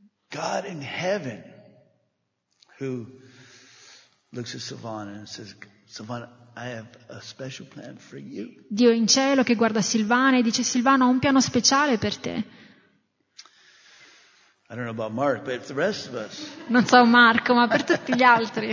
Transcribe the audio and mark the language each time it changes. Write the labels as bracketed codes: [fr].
[en] God in heaven who looks at Silvana and says, Silvana, I have a special plan for you. [it] Dio in cielo che guarda Silvana e dice, Silvana, ho un piano speciale per te. [en] I don't know about Mark, but the rest of us. [it] Non so Marco, ma per tutti gli altri.